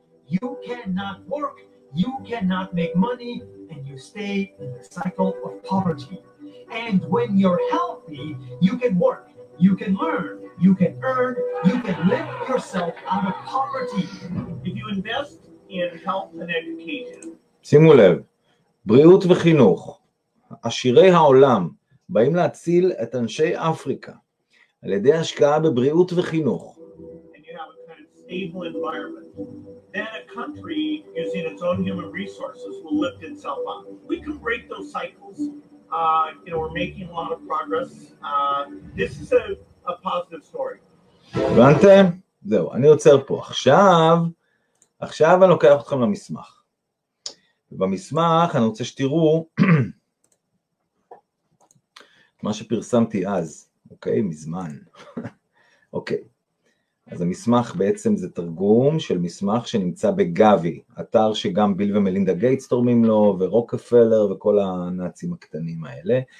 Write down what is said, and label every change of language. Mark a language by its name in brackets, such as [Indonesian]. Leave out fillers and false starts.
[English] You cannot work, you cannot make money, and you stay in the cycle of poverty. And when you're healthy, you can work, you can learn, you can earn, you can lift yourself out of poverty. If you invest in health and education. [Hebrew] שימו לב, בריאות וחינוך, עשירי העולם באים להציל את אנשי אפריקה על ידי השקעה בבריאות וחינוך. [English] And you have a kind of stable environment. Then a country using its own human resources will lift itself up. We can break those cycles. You know, we're making a lot of progress. This is a positive story. [Hebrew] הבנתם? זהו, אני עוצר פה. עכשיו אני לוקח אתכם למסמך. ובמסמך אני רוצה שתראו מה שפרסמתי אז, אוקיי? מזמן. אוקיי. אז המסמך בעצם זה תרגום של מסמך שנמצא בגאבי, אתר שגם ביל ומלינדה גייטס תורמים לו, ורוקפלר וכל הנאצים הקטנים האלה.